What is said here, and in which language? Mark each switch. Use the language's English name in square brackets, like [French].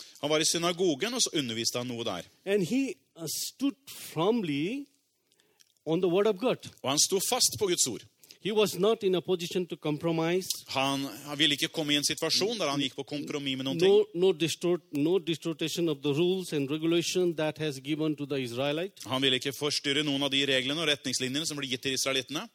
[Swedish] Han var I synagogen och så undervisade han något där. [English] And he stood firmly on the word of God. [Swedish] Och han stod fast på Guds ord. [English] He was not in a position to compromise. [Swedish] Han ville inte komma I en situation där han gick på kompromiss med någonting. [English] No distortion of the rules and regulation that has given to the Israelite. [Swedish] Han ville inte förstöra någon av de reglerna och rättningslinjerna som blev gett till israeliterna.